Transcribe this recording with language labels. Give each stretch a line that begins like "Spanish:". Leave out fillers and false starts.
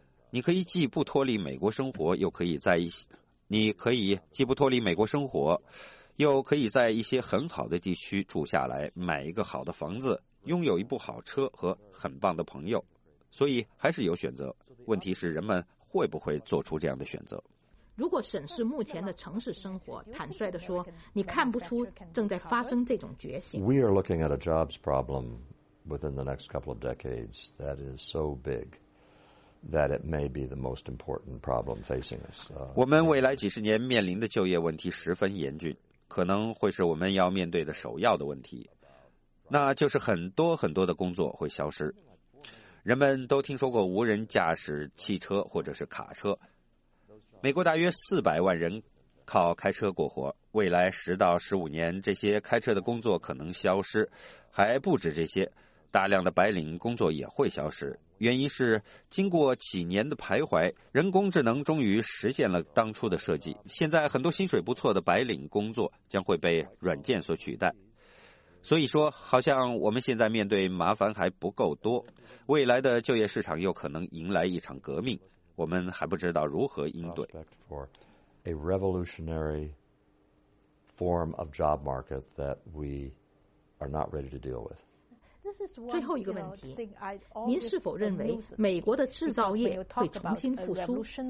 Chinese: 你可以既不脱离美国生活，又可以在你可以既不脱离美国生活，又可以在一些很好的地区住下来，买一个好的房子，拥有一部好车和很棒的朋友，所以还是有选择。问题是人们会不会做出这样的选择？如果审视目前的城市生活，坦率地说，你看不出正在发生这种觉醒。
English: We are looking at a jobs problem within the next couple of decades that is so big. That it may be the most important problem facing us.
Chinese: 我们未来几十年面临的就业问题十分严峻，可能会是我们要面对的首要的问题。那就是很多很多的工作会消失。人们都听说过无人驾驶汽车或者是卡车。美国大约400万人靠开车过活，未来10到15年，这些开车的工作可能消失。还不止这些，大量的白领工作也会消失。原因是经过几年的徘徊，人工智能终于实现了当初的设计，现在很多薪水不错的白领工作将会被软件所取代。所以说，好像我们现在面对麻烦还不够多，未来的就业市场又可能迎来一场革命，我们还不知道如何应对。
English: A revolutionary form of job market that we are not ready to deal with.
Chinese: 最后一个问题，您是否认为美国的制造业会重新复苏？